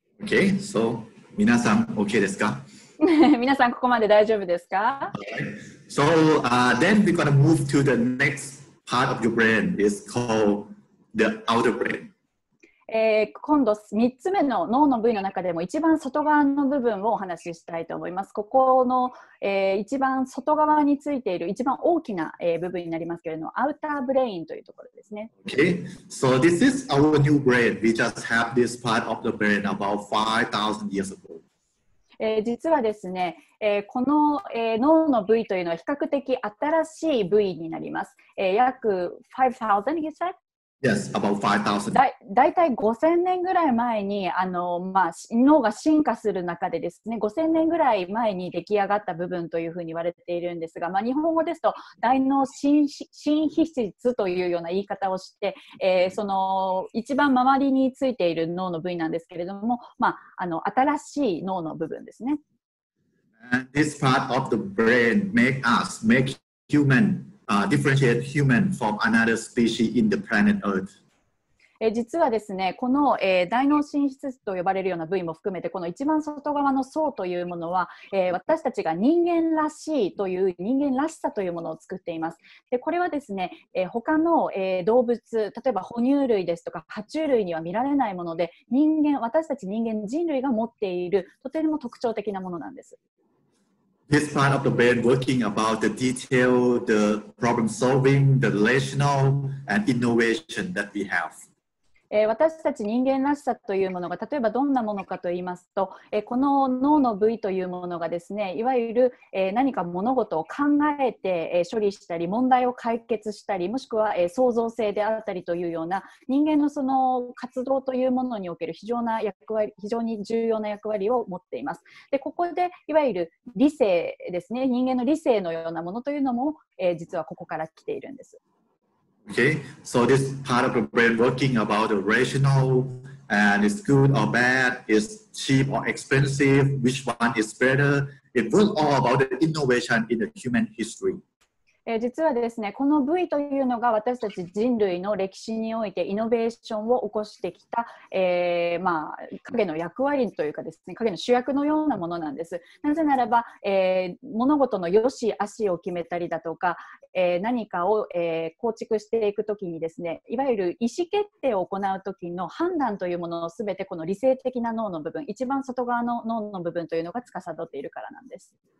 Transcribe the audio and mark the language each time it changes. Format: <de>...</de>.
<en>OK, so</en> <ja>皆さん OK ですか？皆さんここまで大丈夫ですか？</ja> <en>Okay, so then we're gonna move to the nextpart of your brain is called the outer brain.</en> <ja>今度3つ目の脳の部位の中でも一番外側の部分をお話ししたいと思います。ここの、一番外側についている一番大きな、部分になりますけれども、アウターブレインというところですね。</ja> <en>Okay, so this is our new brain. We just have this part of the brain about 5,000 years ago.</en> <ja>実はですね、この、脳の部位というのは比較的新しい部位になります。</ja> <en>約 5,000, you said? Yes, about 5,000.</en> <ja>だいたい5,000年ぐらい前に脳が進化する中でですね、5,000年ぐらい前に出来上がった部分というふうに言われているんですが、日本語ですと大脳新皮質というような言い方をして、その一番周りについている脳の部位なんですけれども、新しい脳の部分ですね。</ja> <en>And this part of the brain make us, make human,differentiate human from another species in the planet Earth.</en> <ja>実はですね、この、大脳新皮質と呼ばれるような部位も含めて、この一番外側の層というものは、私たちが人間らしいという、人間らしさというものを作っています。で、これはですね、他の、動物、例えば哺乳類ですとか爬虫類には見られないもので、私たち人類が持っているとても特徴的なものなんです。</ja> <en>This part of the brain working about the detail, the problem solving, the relational and innovation that we have.</en> <ja>私たち人間らしさというものが例えばどんなものかと言いますと、この脳の部位というものがですね、いわゆる何か物事を考えて処理したり、問題を解決したり、もしくは創造性であったりというような、人間のその活動というものにおける非常に重要な役割を持っています。で、ここでいわゆる理性ですね、人間の理性のようなものというのも実はここから来ているんです。</ja> <en>Okay, so this part of the brain working about the rational and is good or bad, is cheap or expensive, which one is better, it was all about the innovation in the human history.</en> <ja>実はですね、この部位というのが私たち人類の歴史においてイノベーションを起こしてきた、影の役割というかですね、影の主役のようなものなんです。なぜならば、物事の良し悪しを決めたりだとか、何かを、構築していくときにですね、いわゆる意思決定を行うときの判断というものをすべてこの理性的な脳の部分、一番外側の脳の部分というのが司っているからなんです。</ja>